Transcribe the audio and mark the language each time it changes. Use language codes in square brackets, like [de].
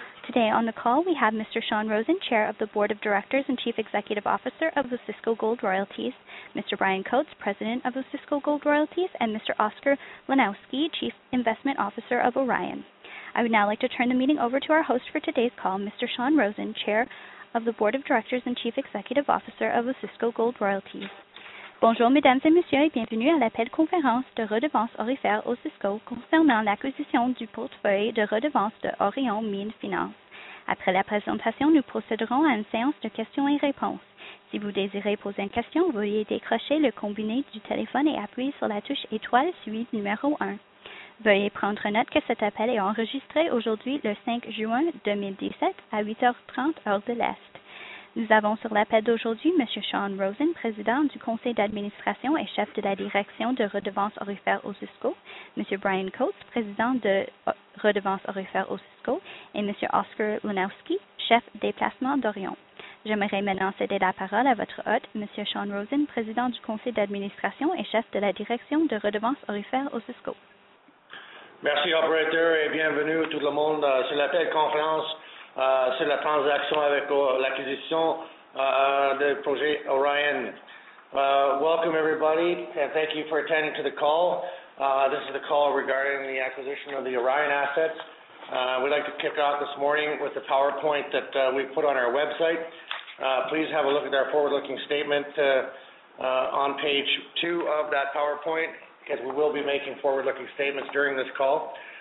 [en] Today on the call, we have Mr. Sean Rosen, Chair of the Board of Directors and Chief Executive Officer of Osisko Gold Royalties, Mr. Brian Coates, President of Osisko Gold Royalties, and Mr. Oscar Lanowski, Chief Investment Officer of Orion. I would now like to turn the meeting over to our host for today's call, Mr. Sean Rosen, Chair of the Board of Directors and Chief Executive Officer of Osisko Gold Royalties. [fr] Bonjour, mesdames et messieurs, et bienvenue à l'appel de conférence de redevances aurifères Osisko concernant l'acquisition du portefeuille de redevances de Orion Mine Finance. Après la présentation, nous procéderons à une séance de questions et réponses. Si vous désirez poser une question, veuillez décrocher le combiné du téléphone et appuyer sur la touche étoile suivie numéro 1. Veuillez prendre note que cet appel est enregistré aujourd'hui, le 5 juin 2017, à 8h30, heure de l'Est. Nous avons sur l'appel d'aujourd'hui M. Sean Rosen, président du conseil d'administration et chef de la direction de redevances aurifères Osisko, M. Brian Coates, président de redevances aurifères Osisko, et M. Oscar Lanowski, chef des placements d'Orion. J'aimerais maintenant céder la parole à votre hôte, M. Sean Rosen, président du conseil d'administration et chef de la direction de redevances aurifères Osisko. Merci, operator, et bienvenue tout le monde sur l'appel conférence. C'est la transaction avec l'acquisition du projet Orion. [en] Welcome everybody and thank you for attending to the call. This is the call regarding the acquisition of the Orion assets. We'd like to kick off this morning with the PowerPoint that we put on our website. Please have a look at our forward-looking statement on page 2 of that PowerPoint, because we will be making forward-looking statements during this call.